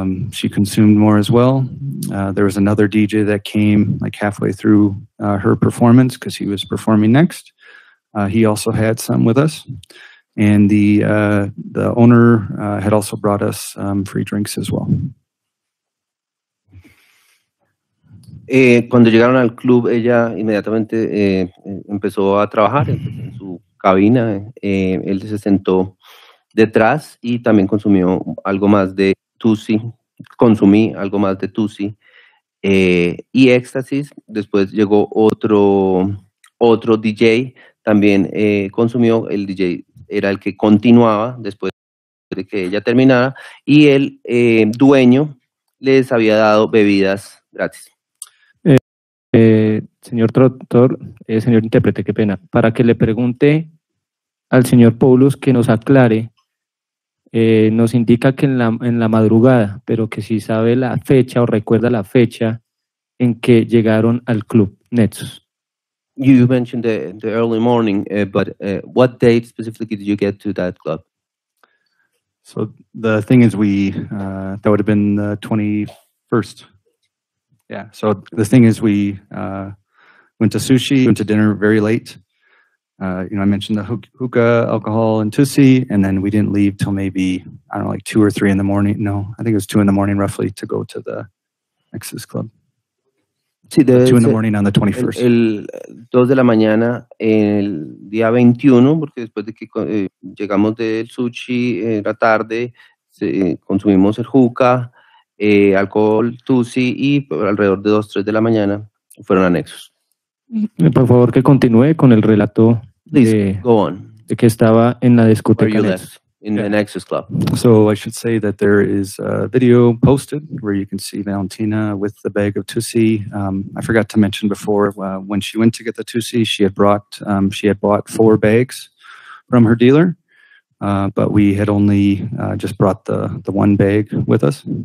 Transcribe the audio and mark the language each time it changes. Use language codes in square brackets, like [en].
[en] She consumed more as well. There was another DJ that came like halfway through her performance because he was performing next. He also had some with us. And the owner had also brought us free drinks as well. [es] Cuando llegaron al club, ella inmediatamente empezó a trabajar en su cabina. Él se sentó detrás y también consumió algo más de tussy. Consumí algo más de tussy y éxtasis. Después llegó otro DJ, también consumió, el DJ era el que continuaba después de que ella terminara, y el dueño les había dado bebidas gratis. Señor traductor, señor intérprete, qué pena, para que le pregunte al señor Poulos que nos aclare, nos indica que en la madrugada, pero que si sabe la fecha o recuerda la fecha en que llegaron al club Nexus. [en] You mentioned the early morning, but what date specifically did you get to that club? So the thing is, we that would have been the 21st. Yeah. So the thing is, we went to sushi, went to dinner very late. You know, I mentioned the hookah, alcohol, and tussi, and then we didn't leave till maybe, I don't know, like 2 or 3 in the morning. No, I think it was 2 in the morning roughly to go to the Nexus club. [es] Sí, [en] the 2 in the morning on the 21st. [es] El 2 de la mañana, el día 21, porque después de que llegamos del sushi, era tarde, consumimos el hookah, alcohol, tussi, y alrededor de 2, 3 de la mañana fueron a Nexus. Por favor, que continúe con el relato de que estaba en la discoteca [en] Nexus. The Nexus Club. So I should say that there is a video posted where you can see Valentina with the bag of tussi. I forgot to mention before, when she went to get the tussi, she had bought 4 bags from her dealer, but we had only just brought the 1 bag with us.